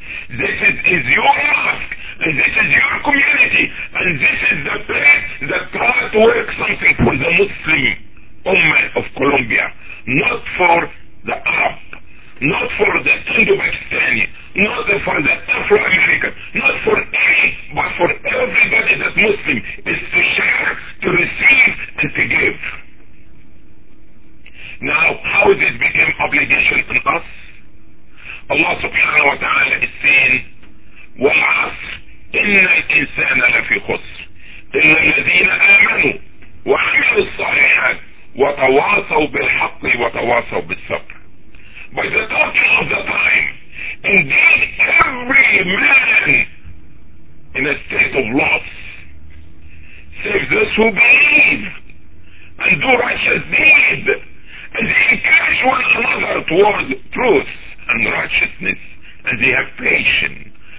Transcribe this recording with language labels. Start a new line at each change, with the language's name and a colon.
English: This is your mosque, and this is your community, and this is the place that tried to work something for the Muslim Ummah of Colombia, not for the Arab, not for the Indo-Pakistani, not for the Afro-American, not for any, but for everybody that's Muslim, is to share, to receive, and to give. Now, how did it become obligation to us?
Arabic: Allah subhanahu wa ta'ala is saying, وَالْعَصْرِ إِنَّ الْإِنسَانَ لَفِي خُسْرِ إِنَّ الَّذِينَ آمَنُوا وَعَمِلُوا الصَّالِحَاتِ وَتَوَاصَوْا بِالْحَقِّ وَتَوَاصَوْا بِالصَّبْرِ.
English: By the talking of the time, indeed every man in a state of loss, save those who believe and do righteous deeds, and they encourage one another toward truth and righteousness, and they have patience.